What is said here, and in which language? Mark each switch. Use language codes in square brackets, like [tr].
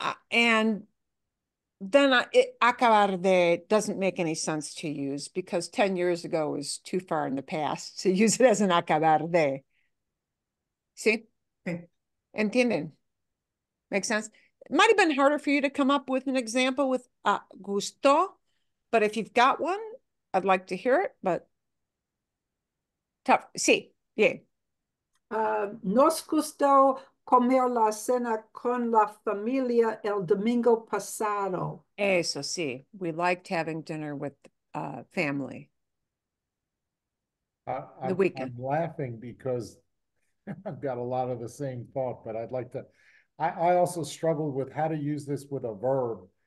[en] And then acabarde doesn't make any sense to use, because 10 years ago is too far in the past to use it as an acabarde. See? Okay. [es] Entienden? [en] Make sense? It might have been harder for you to come up with an example with gusto, but if you've got one, I'd like to hear it. But tough. [es] Sí, bien. Nos gustó comer la cena con la familia el domingo pasado. Eso sí, [en] we liked having dinner with family. The weekend. I'm laughing because I've got a lot of the same thought, but I'd like to. I also struggled with how to use this with a verb.